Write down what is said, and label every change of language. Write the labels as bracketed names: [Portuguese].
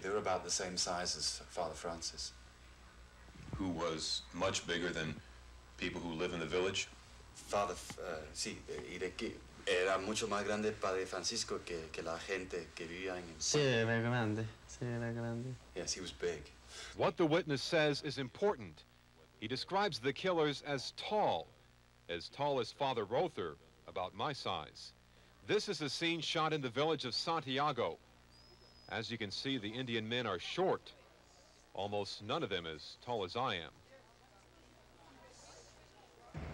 [English] They were about the same size as Father Francis. Who was much bigger than people who live in the village? [Spanish] Father, sí, era mucho más grande Padre Francisco que la gente que vivía en el... Sí, era grande. [English] Yes, he was big. What the witness says is important. He describes the killers as tall as Father Rother, about my size. This is a scene shot in the village of Santiago. As you can see, the Indian men are short. Almost none of them as tall as I am.